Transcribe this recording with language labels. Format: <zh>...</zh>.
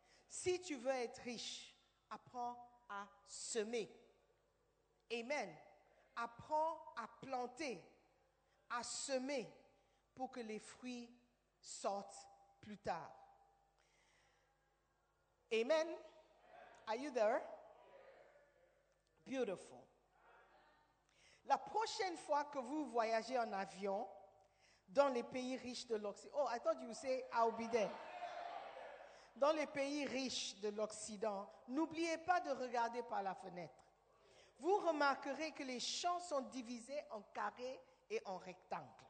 <fr>Si tu veux être riche, apprends à semer. Amen. Apprends à planter, à semer pour que les fruits sortent plus tard. Amen.</fr> <en>Are you there? Beautiful.</en> <fr>La prochaine fois que vous voyagez en avion dans les pays riches de l'Occident,</fr> <en>oh, I thought you say I'll be there.</en> <fr>Dans les pays riches de l'Occident, n'oubliez pas de regarder par la fenêtre. Vous remarquerez que les champs sont divisés en carrés et en rectangles.</fr>